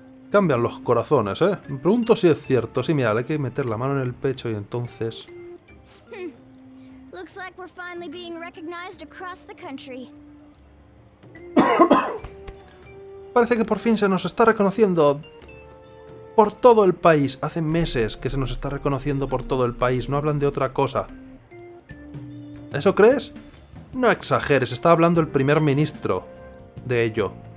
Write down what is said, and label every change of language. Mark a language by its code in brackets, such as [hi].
[es] Cambian los corazones, ¿eh? Me pregunto si es cierto. Sí, mira, hay que meter la mano en el pecho y entonces. [en] Looks like we're finally being recognized across the country. [es] Parece que por fin se nos está reconociendo por todo el país. Hace meses que se nos está reconociendo por todo el país. No hablan de otra cosa. ¿Eso crees? No exageres, está hablando el primer ministro de ello.